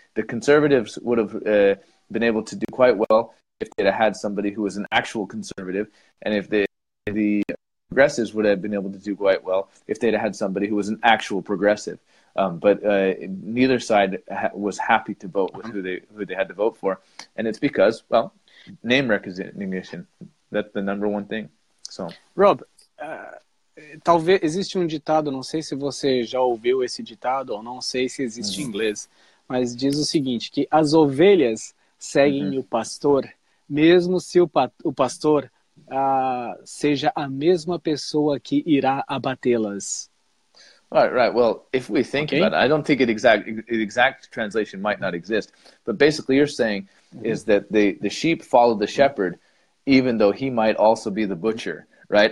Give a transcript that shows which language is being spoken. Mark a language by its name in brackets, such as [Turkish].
[English] The conservatives would have been able to do quite well if they'd had somebody who was an actual conservative, and if the progressives would have been able to do quite well if they'd had somebody who was an actual progressive. Neither side was happy to vote with who they had to vote for. And it's because, well, name recognition, that's the number one thing. So, [Portuguese] Rob, talvez existe um ditado, não sei se você já ouviu esse ditado, ou não sei se existe em inglês, mas diz o seguinte, que as ovelhas seguem o pastor, mesmo se o pastor seja a mesma pessoa que irá abatê-las. [English] Right. Well, if we think about it, I don't think the exact translation might not exist. But basically, you're saying is that the sheep follow the shepherd, even though he might also be the butcher, right?